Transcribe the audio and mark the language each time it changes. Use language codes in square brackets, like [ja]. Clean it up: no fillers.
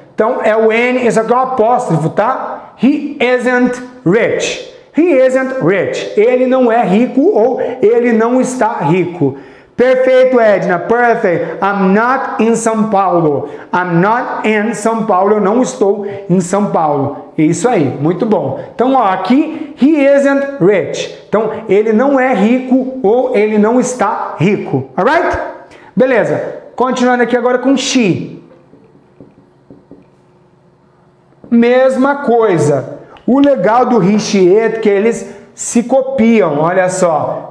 [pt] Então é o N, isso aqui é um apóstrofo, tá? [en] He isn't rich. He isn't rich. [pt] Ele não é rico ou ele não está rico. Perfeito, [en] Edna. Perfect. I'm not in São Paulo. I'm not in São Paulo. [pt] Eu não estou em São Paulo. Isso aí. Muito bom. Então, ó, aqui, [en] he isn't rich. [pt] Então, ele não é rico ou ele não está rico. [en] Alright? [pt] Beleza. Continuando aqui agora com she. Mesma coisa. O legal do he, she, it, que eles se copiam. Olha só.